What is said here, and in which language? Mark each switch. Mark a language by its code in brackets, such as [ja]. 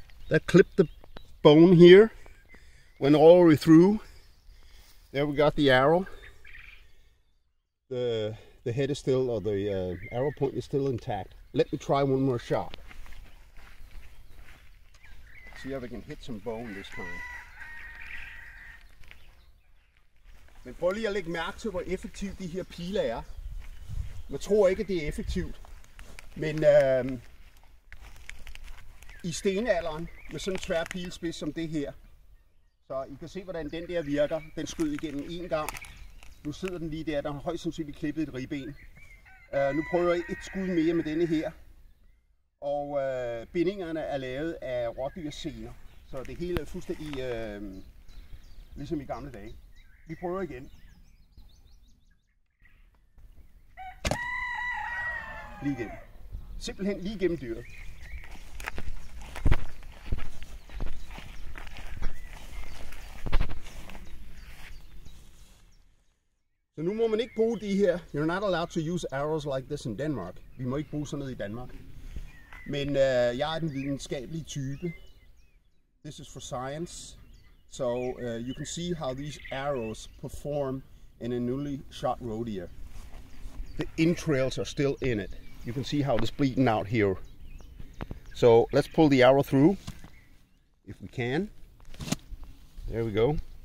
[en] That clipped the bone here. Went all the way through. There we got the arrow. The head is still, or the arrow point is still intact. Let me try one more shot. See if I can hit some bone this time. [da] Men prøv lige at lægge mærke til, hvor effektive de her pile er. Man tror ikke, at det er effektivt. Men i stenalderen, med sådan en tvær pilespids som det her, så I kan se, hvordan den der virker. Den skød igennem én gang. Nu sidder den lige der. Der har højst sandsynligt klippet et ribben. Nu prøver jeg et skud mere med denne her. Og bindingerne er lavet af rådyrsener. Så det hele er fuldstændig ligesom i gamle dage. Vi prøver igen. Lige igen. Simpelthen lige igennem dyret. Så nu må man ikke bruge de her. [en] You're not allowed to use arrows like this in Denmark. [da] Vi må ikke bruge sådan noget i Danmark. Men jeg er den videnskabelige type. [en] This is for science. So you can see how these arrows perform in a newly shot roe deer. The entrails are still in it. You can see how it is bleeding out here. So let's pull the arrow through, if we can. There we go.